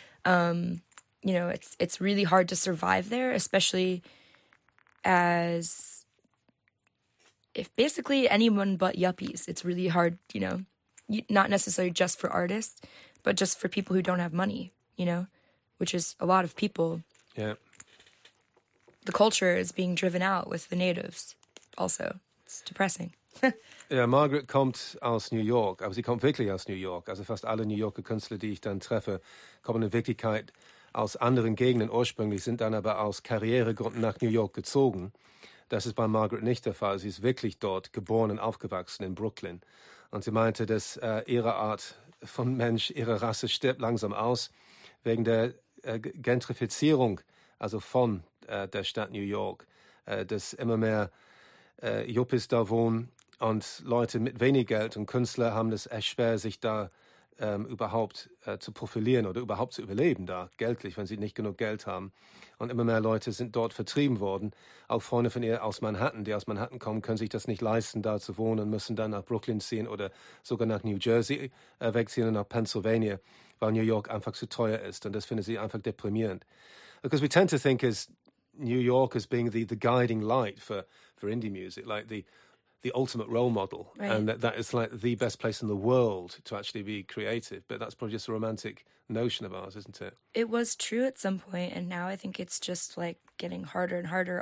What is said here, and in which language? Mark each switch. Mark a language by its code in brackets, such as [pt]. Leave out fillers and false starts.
[en] You know, it's really hard to survive there, especially as if basically anyone but yuppies. It's really hard, you know, not necessarily just for artists, but just for people who don't have money, you know, which is a lot of people. Yeah. The culture is being driven out with the natives. Also, it's depressing. [de] Ja, Margaret kommt aus New York, aber sie kommt wirklich aus New York. Also fast alle New Yorker Künstler, die ich dann treffe, kommen in Wirklichkeit aus anderen Gegenden ursprünglich, sind dann aber aus Karrieregründen nach New York gezogen. Das ist bei Margaret nicht der Fall. Sie ist wirklich dort geboren und aufgewachsen in Brooklyn. Und sie meinte, dass ihre Art von Mensch, ihre Rasse stirbt langsam aus wegen der Gentrifizierung, also von der Stadt New York, dass immer mehr Juppies da wohnen Und Leute mit wenig Geld und Künstler haben es echt schwer, sich da überhaupt zu profilieren oder überhaupt zu überleben da, geldlich, wenn sie nicht genug Geld haben. Und immer mehr Leute sind dort vertrieben worden. Auch Freunde von ihr aus Manhattan, die aus Manhattan kommen, können sich das nicht leisten, da zu wohnen und müssen dann nach Brooklyn ziehen oder sogar nach New Jersey wegziehen und nach Pennsylvania, weil New York einfach zu teuer ist. Und das finden sie einfach deprimierend. [en] Because we tend to think as New York as being the guiding light for indie music, like the ultimate role model, right. And that is like the best place in the world to actually be creative. But that's probably just a romantic notion of ours, isn't it? It was true at some point, and now I think it's just like getting harder and harder.